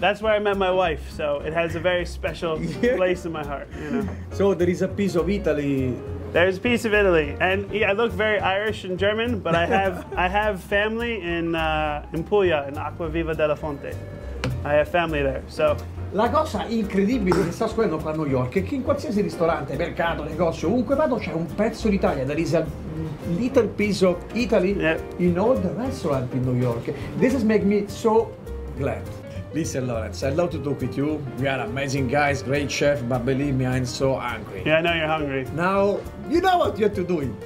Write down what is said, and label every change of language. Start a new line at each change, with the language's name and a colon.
English: That's where I met my wife, so it has a very special place in my heart, you know. So there is a piece of Italy. There's a piece of Italy, and yeah, I look very Irish and German, but I have I have family in Puglia, in Acquaviva della Fonte. I have family there, so.
Italian: La cosa incredibile che sta succedendo qua a New York è che in qualsiasi ristorante, mercato, negozio, ovunque vado, c'è un pezzo d'Italia.
English: There is a little piece of Italy, yep, in all the restaurants in New York. This has made me so glad. Listen, Lawrence, I love to talk with you. We are amazing guys, great chef, but believe me, I'm so hungry. Yeah, I know you're hungry. Now, you know what you have to do.